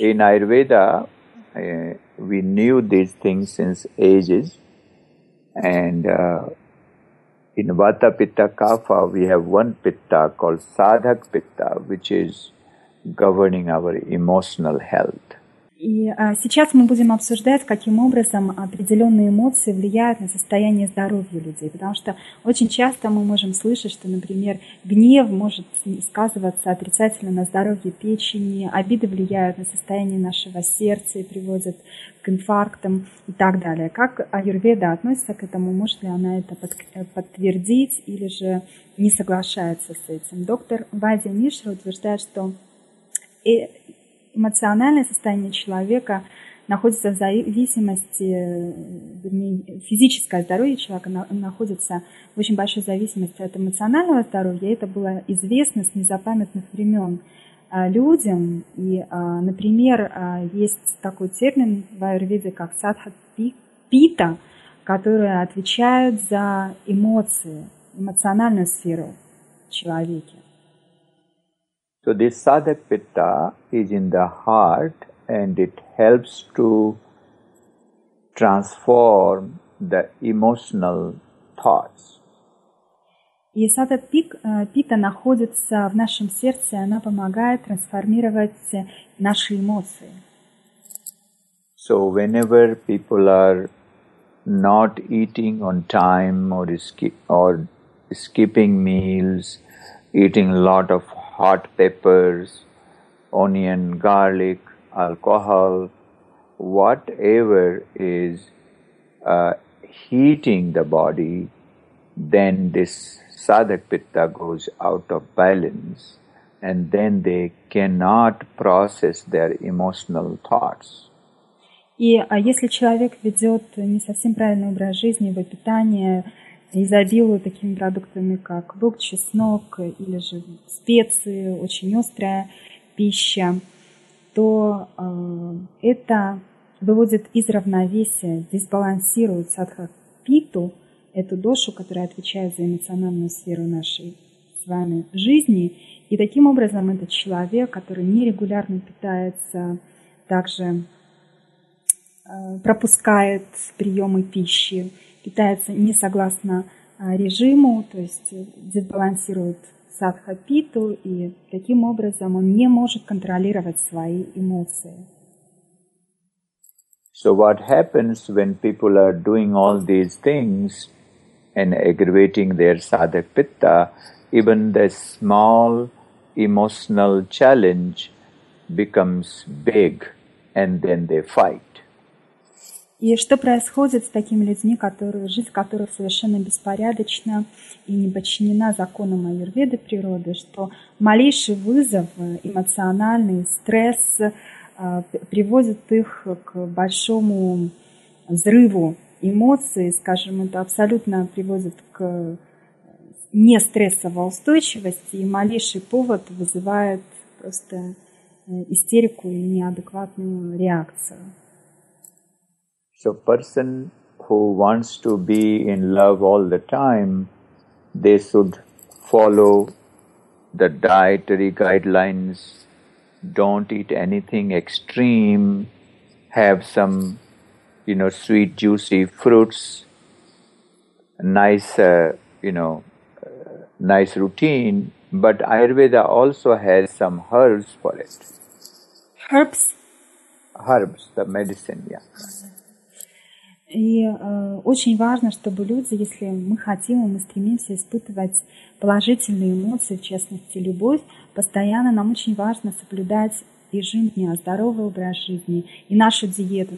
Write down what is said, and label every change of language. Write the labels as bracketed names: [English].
[English] In Ayurveda, we knew these things since ages, and in Vata, Pitta, Kapha, we have one Pitta called Sadhak Pitta, which is governing our emotional health. [Russian] И сейчас мы будем обсуждать, каким образом определенные эмоции влияют на состояние здоровья людей. Потому что очень часто мы можем слышать, что, например, гнев может сказываться отрицательно на здоровье печени, обиды влияют на состояние нашего сердца и приводят к инфарктам и так далее. Как Аюрведа относится к этому? Может ли она это подтвердить или же не соглашается с этим? Доктор Вадя Мишра утверждает, что эмоциональное состояние человека находится в зависимости, вернее, физическое здоровье человека находится в очень большой зависимости от эмоционального здоровья. Это было известно с незапамятных времен людям. И, например, есть такой термин в Аюрведе, как садхапита, которые отвечают за эмоции, эмоциональную сферу человека. [English] So this Sadhak Pitta is in the heart, and it helps to transform the emotional thoughts. [Russian] И Sadhak Pitta находится в нашем сердце, она помогает трансформировать наши эмоции. [English] So whenever people are not eating on time or skipping meals, eating a lot of hot peppers, onion, garlic, alcohol, whatever is heating the body, then this Sadhak Pitta goes out of balance and then they cannot process their emotional thoughts. [Russian] И если человек ведет не совсем правильный образ жизни, его питание изобилуют такими продуктами, как лук, чеснок или же специи, очень острая пища, то это выводит из равновесия, дисбалансирует садхапиту, эту дошу, которая отвечает за эмоциональную сферу нашей с вами жизни. И таким образом этот человек, который нерегулярно питается, также пропускает приемы пищи, питается не согласно режиму, то есть дисбалансирует садхапиту, и таким образом он не может контролировать свои эмоции. [English] So what happens when people are doing all these things and aggravating their sadhak pitta, even the small emotional challenge becomes big and then they fight. [Russian] И что происходит с такими людьми, которые, жизнь которых совершенно беспорядочна и не подчинена законам Аюрведы природы, что малейший вызов, эмоциональный стресс приводит их к большому взрыву эмоций, скажем, это абсолютно приводит к нестрессовой устойчивости, и малейший повод вызывает просто истерику и неадекватную реакцию. [English] So person who wants to be in love all the time, they should follow the dietary guidelines, don't eat anything extreme, have some, you know, sweet juicy fruits, nice routine, but Ayurveda also has some herbs for it. Herbs. Herbs, the medicine, yeah. [Russian] И очень важно, чтобы люди, если мы хотим, мы стремимся испытывать положительные эмоции, в частности, любовь, постоянно нам очень важно соблюдать режим дня, здоровый образ жизни и нашу диету.